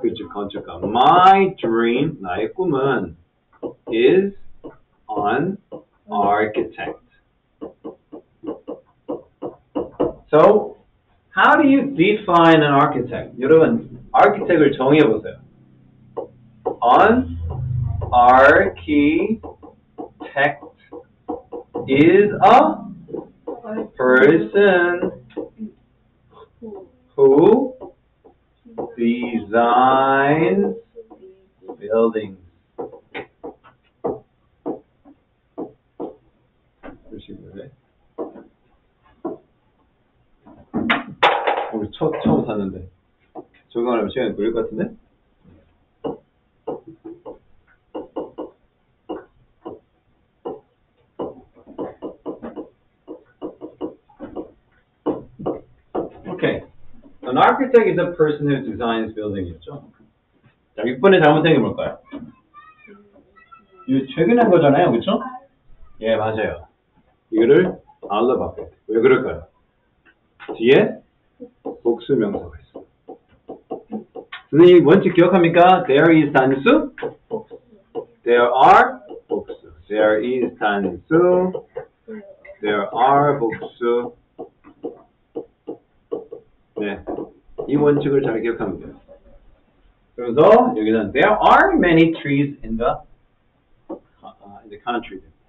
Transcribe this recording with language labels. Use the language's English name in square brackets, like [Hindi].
[Korean] 그렇죠, 건축가. [English] My dream, [Korean] 나의 꿈은 [English] is an architect. So, how do you define an architect? [Korean] 여러분, 아키텍을 정의해보세요. [English] An architect is a person who designs buildings. [Korean] 우리 처음 샀는데 적용하려면 시간이 걸릴 것 같은데? [English] Okay. An architect is a person who designs buildings. [Korean] 그렇죠? 자, 6번에 잘못 생긴 걸까요? 이거 최근에 한 거잖아요, 그쵸? 예, 맞아요. 이거를 알로 바꿔. 왜 그럴까요? 뒤에 복수 명사가 있어. 선생님, 원칙 기억합니까? [English] There is 단수. There are 복수. There is 단수. There are 복수. [Korean] 네. 이 원칙을 잘 기억하면 돼요. 그래서 여기는 [English] There are many trees in the country.